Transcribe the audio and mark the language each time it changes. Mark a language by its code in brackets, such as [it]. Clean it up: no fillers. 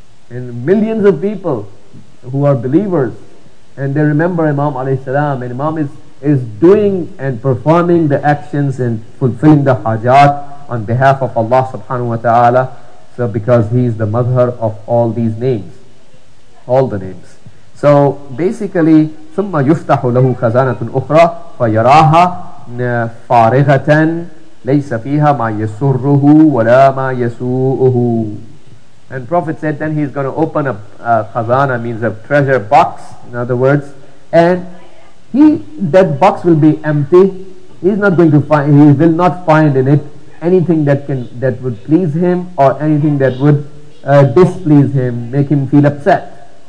[en] And millions of people who are believers, and they remember Imam alayhi salam, and Imam is doing and performing the actions and fulfilling the hajat on behalf of Allah subhanahu wa ta'ala. So because he is the mazhar of all these names, all the names. So basically, [ar] ثُمَّ يُفْتَحُ لَهُ خَزَانَةٌ أُخْرَى فَيَرَاهَا فَارِغَةً لَيْسَ فِيهَا مَا يَسُرُّهُ وَلَا مَا يَسُوءُهُ. [en] And Prophet said, then he's going to open a khazana, means a treasure box, in other words, and that box will be empty. He will not find in it anything that would please him or anything that would displease him, make him feel upset.